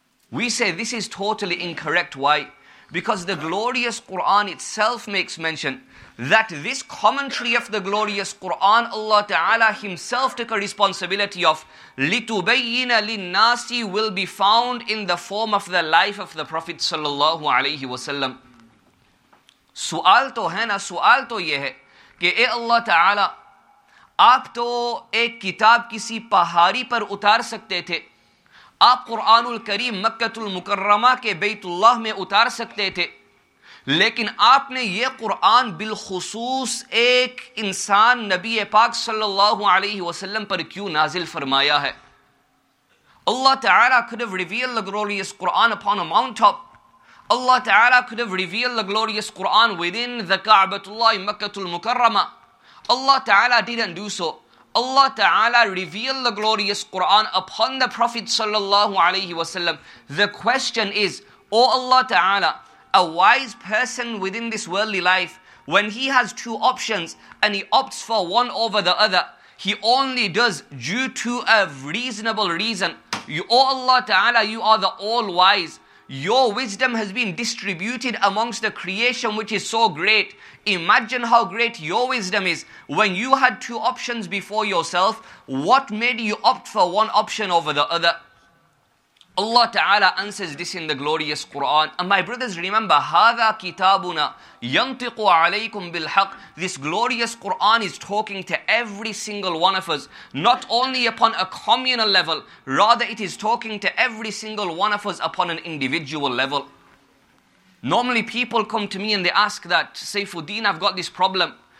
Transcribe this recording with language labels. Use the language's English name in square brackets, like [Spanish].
[English] We say this is totally incorrect. Why? Because the glorious Quran itself makes mention that this commentary of the glorious Quran, Allah Ta'ala himself took a responsibility of, [Arabic] لِتُبَيِّنَ لِلنَّاسِ, [English] will be found in the form of the life of the Prophet sallallahu alaihi wasallam. [Urdu] Sual to hai na, sual to ye hai, کہ اے اللہ تعالی آپ تو ایک کتاب کسی پہاڑی پر اتار سکتے تھے، آپ قرآن الکریم مکہ المکرمہ کے بیت اللہ میں اتار سکتے تھے، لیکن آپ نے یہ قرآن بالخصوص ایک انسان نبی پاک صلی اللہ علیہ وسلم پر کیوں نازل فرمایا ہے؟ اللہ تعالیٰ [English] could have revealed the glorious Quran upon a mountaintop. Allah Ta'ala could have revealed the glorious Quran within the Ka'batullah in Makkah al-Mukarramah. Allah Ta'ala didn't do so. Allah Ta'ala revealed the glorious Quran upon the Prophet sallallahu alayhi wa sallam. The question is, O Allah Ta'ala, a wise person within this worldly life, when he has two options and he opts for one over the other, he only does due to a reasonable reason. O Allah Ta'ala, you are the all-wise. Your wisdom has been distributed amongst the creation, which is so great. Imagine how great your wisdom is. When you had two options before yourself, what made you opt for one option over the other? Allah Ta'ala answers this in the glorious Quran. And my brothers, remember, [Arabic] هَذَا كِتَابُنَا يَنْطِقُ عَلَيْكُمْ بِالْحَقِّ. [English] This glorious Quran is talking to every single one of us, not only upon a communal level, rather it is talking to every single one of us upon an individual level. Normally people come to me and they ask that, Saifuddin, I've got this problem.